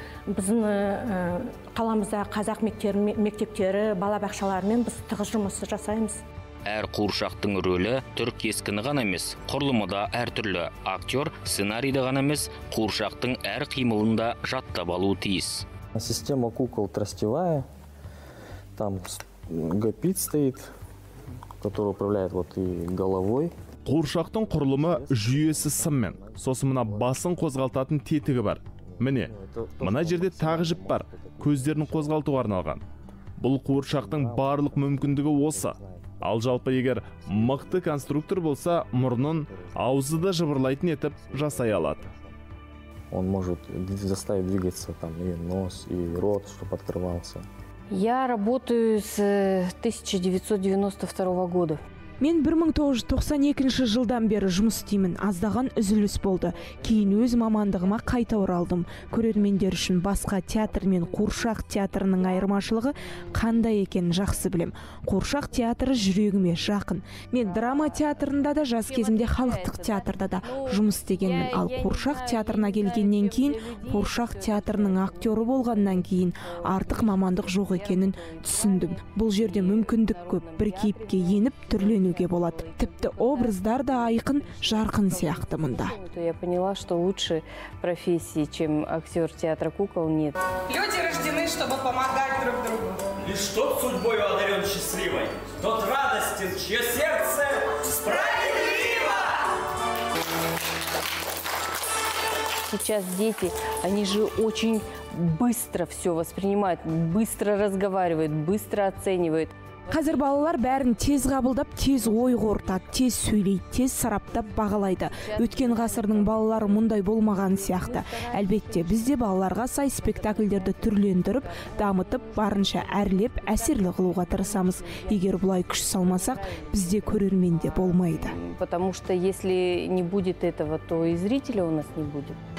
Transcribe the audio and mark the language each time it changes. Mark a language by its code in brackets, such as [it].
[kk] Біздің қаламызда қазақ мектептері, бала бақшаларымен біз тығыз жұмыс жасаймыз. Әр қуыршақтың рөлі түрк кескіні ғана емес, құрылымы да әртүрлі. Актер сценарийді ғана емес, қуыршақтың әр қимылында жаттап алуы тиіс. [ru] Система кукол тростевая, там гопит стоит, который управляет вот и головой. [kk] Қуыршақтың құрылымы жүйесі сыммен. Сосы мына басын қозғалтатын тетігі бар. Міне, мына жерде тағы жіп бар, көздерін қозғалтуға арналған. Бұл қуыршақтың барлық мүмкіндігі осы. Ал жалпы егер мықты конструктор болса, мұрнын аузы да жыбырлайтын етіп жасай алады. [ru] Он может заставить двигаться там и нос, и рот, чтобы открывался. Я работаю с 1992 года. [kk] Мен 1992 жылдан бері жұмыс істеймін. Аздаған үзіліс болды. Кейін өз мамандығыма қайта оралдым. Көрермендер үшін басқа театр мен Куршақ театрының айырмашылығы қандай екенін жақсы білем. Куршақ театры жүрегіме жақын. Мен драма театрында да жас кезімде халықтық театрда да жұмыс істегенмін. Ал Куршақ театрына келгеннен кейін, Куршақ театрының актері болғаннан кейін артық мамандық жоқ екенін түсіндім. Бұл жерде мүмкіндік көп. Бір кейіпке еніп түрлі өнуге болады. Тіпті образдар да айқын, жарқын сияқты мұнда. [ru] Я поняла, что лучше профессии, чем актер театра кукол, нет. Люди рождены, чтобы помогать друг другу. Лишь тот судьбою одарен счастливой, тот радостен, чье сердце справедливо. Сейчас дети, они же очень быстро все воспринимают, быстро разговаривают, быстро оценивают. [kk] Қазір балалар бәрін тез қабылдап, тез ой қорытады, тез сөйлейді, тез сараптап бағалайды. Өткен ғасырдың балалары мұндай болмаған сияқты. Әлбетте, бізде балаларға сай спектакльдерді түрлендіріп, дамытып, барынша әрлеп, әсерлі қылуға тырысамыз. Егер бұлай күш салмасақ, бізде көрерменде болмайды. [ru] Потому что если не будет этого, то и зрителя у нас не будет.